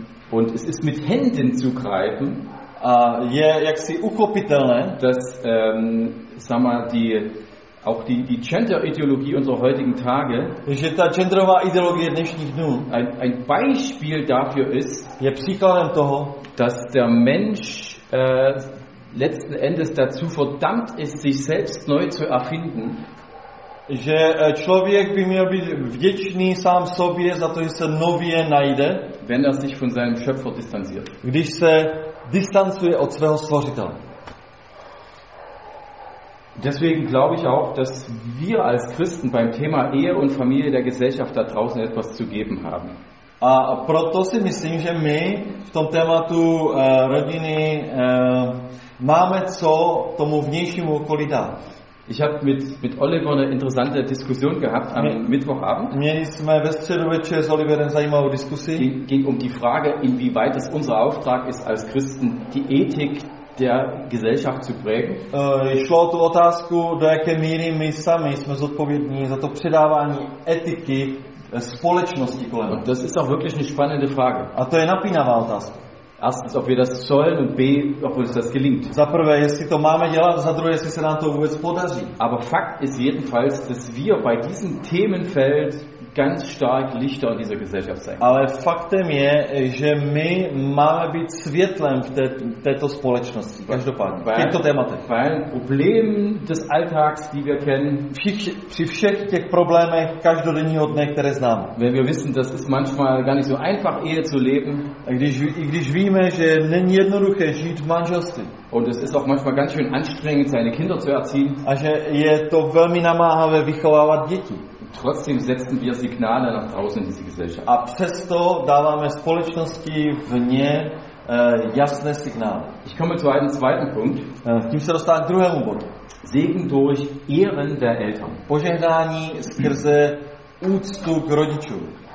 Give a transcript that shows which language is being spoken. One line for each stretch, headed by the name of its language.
German: Und es ist mit Händen zu greifen,
Czech: a je jaksi uchopitelné,
German: dass sag mal die auch die Gender-Ideologie unserer heutigen Tage,
Czech: že ta genderová ideologie dnešních dnů,
German: ein Beispiel dafür ist,
Czech: je příkladem toho,
German: dass der Mensch letzten Endes dazu verdammt ist, sich selbst neu zu erfinden,
Czech: že člověk by měl být vděčný sám sobě za to, že se nově najde,
German: wenn er sich von seinem Schöpfer distanziert.
Czech: Když se distancuje od svého stvořitele.
German: Deswegen glaube ich auch, dass wir als Christen beim Thema Ehe und Familie der Gesellschaft da draußen etwas zu geben haben.
Czech: A proto si myslím, že my v tom tématu rodiny máme co tomu vnějšímu okolí dát.
German: Ich habe mit Oliver eine interessante Diskussion gehabt am Mittwochabend.
Czech: Měli jsme ve středu večer s Oliverem zajímavou diskusi.
German: Ging um die Frage, inwieweit es unser Auftrag ist als Christen, die Ethik der Gesellschaft zu prägen.
Czech: Šlo o tu otázku, do jaké míry my sami jsme zodpovědní za to předávání etiky společnosti kolem.
German: Und das ist auch wirklich eine spannende Frage.
Czech: A to je napínavá otázka.
German: Erstens, ob wir das sollen und B, ob uns das gelingt.
Czech: Za prvé, jestli to máme dělat, za druhé, jestli se nám to vůbec podaří.
German: Aber Fakt ist jedenfalls, dass wir bei diesem Themenfeld ganz stark Lichter in dieser Gesellschaft sein.
Czech: Ale faktem je, že my máme být světlem v této společnosti. Každopádně. V těchto tématech.
German: Problém des Alltags, die wir kennen.
Czech: Při všech těch problémech každodenního dne, které známe.
German: Wenn wir wissen, das ist manchmal gar nicht so einfach, Ehe zu leben.
Czech: Když víme, že není jednoduché žít v manželství.
German: Und es ist auch manchmal ganz schön anstrengend, seine Kinder zu erziehen.
Czech: A že je to velmi namáhavé vychovávat děti.
German: Trotzdem setzen wir Signale nach draußen in diese Gesellschaft.
Czech: A přesto dáváme společnosti vně jasné signály.
German: Ich komme zu einem zweiten Punkt.
Czech: Tím se dostávám k druhému bodu.
German: Segen durch Ehren der Eltern.
Czech: Požehnání skrze úctu k rodičům.